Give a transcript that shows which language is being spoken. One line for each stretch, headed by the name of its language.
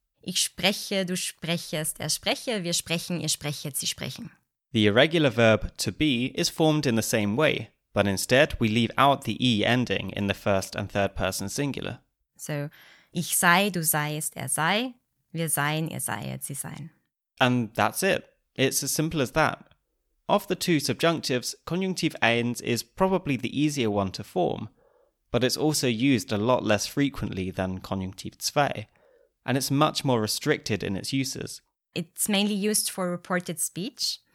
German: Ich spreche, du sprechest, spreche, wir sprechen, ihr sprechet, sie sprechen.
English: The irregular verb to be is formed in the same way, but instead we leave out the e ending in the first and third person singular.
German: So, ich sei, du seiest, sei, wir seien, ihr seiet, sie seien.
English: And that's it. It's as simple as that. Of the two subjunctives, Konjunktiv 1 is probably the easier one to form, but it's also used a lot less frequently than Konjunktiv 2, and it's much more restricted in its uses. It's mainly used for reported speech.